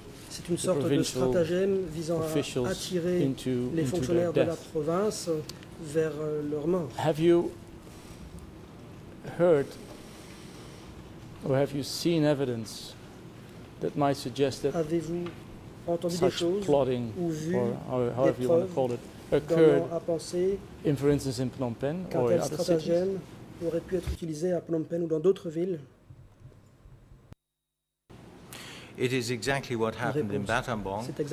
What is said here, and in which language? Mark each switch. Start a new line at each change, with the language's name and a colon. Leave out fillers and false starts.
French: C'est une sorte de stratagème visant à attirer les fonctionnaires de la province vers leur mort.
English: Have you heard or have you seen evidence that might suggest that such plotting,
French: ou vu
English: or however you want to call it, occurred, for instance, in Phnom Penh or in other cities?
French: Aurait pu être utilisé à Phnom Penh ou dans d'autres villes?
English: It is exactly what happened in Battambang,